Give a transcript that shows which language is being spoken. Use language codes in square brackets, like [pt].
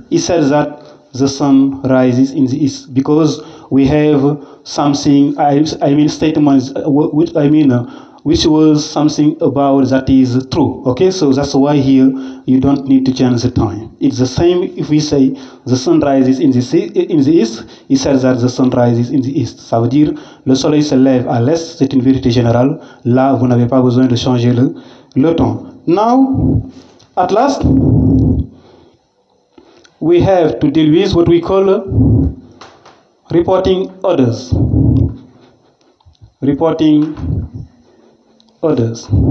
[en] He said that the sun rises in the east because we have something, which was something about that is true. Okay, so that's why here you don't need to change the time. It's the same if we say the sun rises in the east. He said that the sun rises in the east. [fr] Ça veut dire le soleil se lève à l'est. C'est une vérité générale. Là, vous n'avez pas besoin de changer le temps. [en] Now, at last, we have to deal with what we call reporting orders. Reporting orders.